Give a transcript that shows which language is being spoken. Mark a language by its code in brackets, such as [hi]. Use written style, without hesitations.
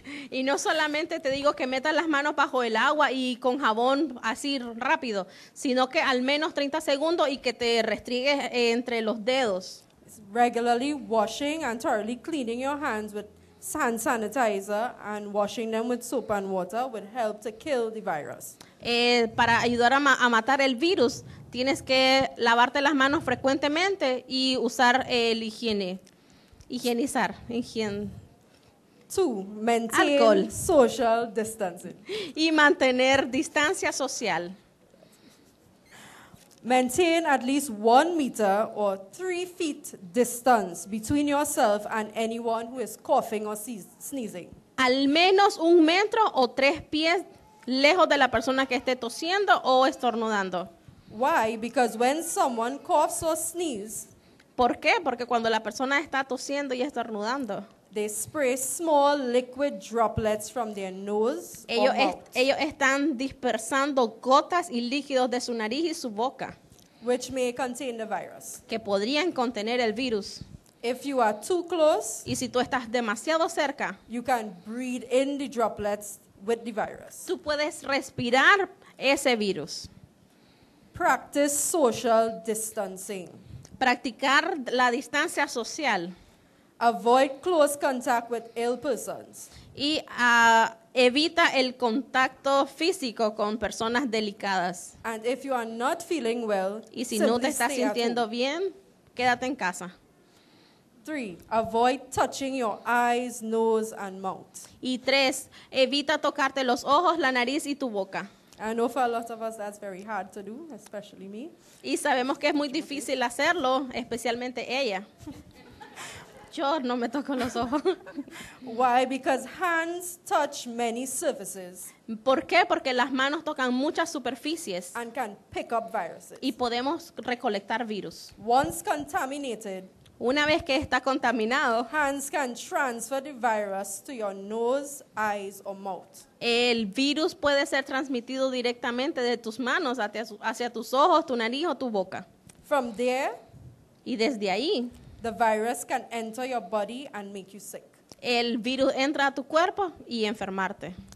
[es] Y no solamente te digo que metas las manos bajo el agua y con jabón así rápido, sino que al menos 30 segundos y que te restriegues entre los dedos. [en] Regularly washing and thoroughly cleaning your hands with hand sanitizer and washing them with soap and water would help to kill the virus. [es] Para ayudar a matar el virus, tienes que lavarte las manos frecuentemente y usar el higiene. Higienizar, [en] Two, maintain [es] alcohol. [en] Social distancing. [es] Y mantener distancia social. [en] Maintain at least 1 meter or 3 feet distance between yourself and anyone who is coughing or sneezing. [es] Al menos 1 metro o 3 pies lejos de la persona que esté tosiendo o estornudando. [en] Why? Because when someone coughs or sneezes. [es] ¿Por qué? Porque cuando la persona está tosiendo y estornudando. [en] They spray small liquid droplets from their nose. [es] Ellos están dispersando gotas y líquidos de su nariz y su boca. [en] Which may contain the virus. [es] Que podrían contener el virus. [en] If you are too close, [es] y si tú estás demasiado cerca, [en] you can breathe in the droplets with the virus. [es] Tú puedes respirar ese virus. [en] Practice social distancing. [es] Practicar la distancia social. [en] Avoid close contact with ill persons. [es] Y evita el contacto físico con personas delicadas. [en] And if you are not feeling well, [es] y si no te estás sintiendo bien, quédate en casa. [en] 3. Avoid touching your eyes, nose, and mouth. [es] Y 3. Evita tocarte los ojos, la nariz y tu boca. [en] I know for a lot of us that's very hard to do, especially me. [es] Y sabemos que es muy difícil hacerlo, especialmente ella. Yo no me toco los ojos. [en] Why? Because hands touch many surfaces. [es] ¿Por qué? Porque las manos tocan muchas superficies. [en] And can pick up viruses. [es] Y podemos recolectar virus. [en] Once contaminated. [es] Una vez que está contaminado, [en] hands can transfer the virus to your nose, eyes, or mouth. [es] El virus puede ser transmitido directamente de tus manos hacia tus ojos, tu nariz o tu boca. [en] From there, [es] y desde ahí, [en] the virus can enter your body and make you sick. [es] El virus entra a tu cuerpo y enfermarte.